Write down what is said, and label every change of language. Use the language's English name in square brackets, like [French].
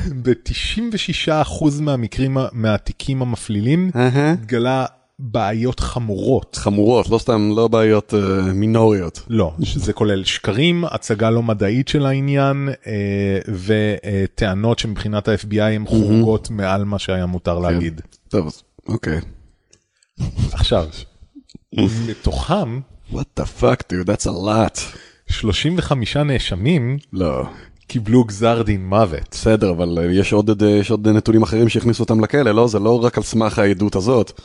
[Hebrew] ב-96% מהתיקים המפלילים התגלה בעיות חמורות. חמורות, לא סתם, לא בעיות מינוריות. לא, שזה כולל שקרים, הצגה לא מדעית של העניין, וטענות שמבחינת ה-FBI הן חורגות מעל מה שהיה מותר להגיד. טוב, אוקיי. עכשיו, מתוכם... [English] What the fuck, dude, that's a lot. [Hebrew] 35 נאשמים... לא. קיבלו גזר דין מוות. בסדר, אבל יש עוד, יש עוד נתונים אחרים שהכניסו אותם לכלא, לא? זה לא רק על סמך העדות הזאת.